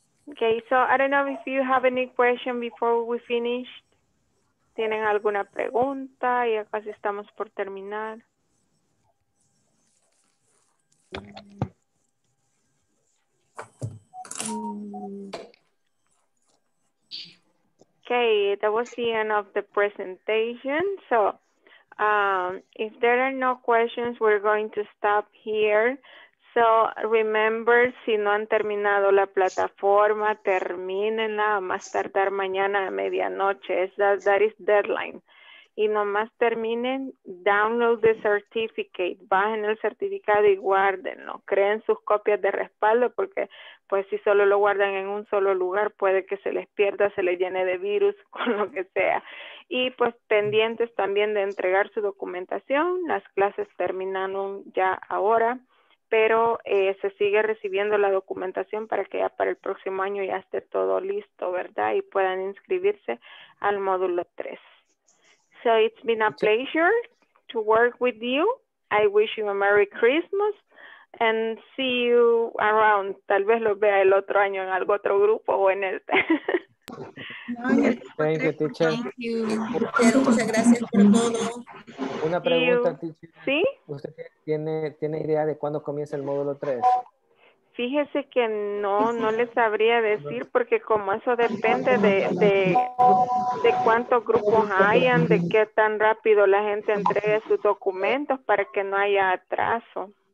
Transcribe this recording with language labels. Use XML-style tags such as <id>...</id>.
<en>Okay, so I don't know if you have any question before we finish.</en> <es>¿Tienen alguna pregunta? Ya casi estamos por terminar.</es> <en>Okay, that was the end of the presentation. So if there are no questions, we're going to stop here. So remember,</en> <es>si no han terminado la plataforma, termínenla a más tardar mañana a medianoche.</es> <en>That is deadline.</en> <es>Y nomás terminen,</es> <en>download the certificate.</en> <es>Bajen el certificado y guárdenlo. Creen sus copias de respaldo porque pues si solo lo guardan en un solo lugar, puede que se les pierda, se les llene de virus, con lo que sea. Y pues pendientes también de entregar su documentación. Las clases terminaron ya ahora, pero se sigue recibiendo la documentación para que ya para el próximo año ya esté todo listo, ¿verdad? Y puedan inscribirse al módulo 3.</es> <en>So it's been a pleasure to work with you. I wish you a Merry Christmas and see you around.</en> <es>Tal vez los vea el otro año en algún otro grupo o en este.</es> <en>Thank you, teacher. Thank you.</en> <es>Muchas gracias por todo. Una pregunta, teacher. ¿Sí? ¿Usted tiene idea de cuándo comienza el módulo 3? Fíjese que no le sabría decir, porque como eso depende de cuántos grupos hayan, de qué tan rápido la gente entregue sus documentos para que no haya atraso.</es>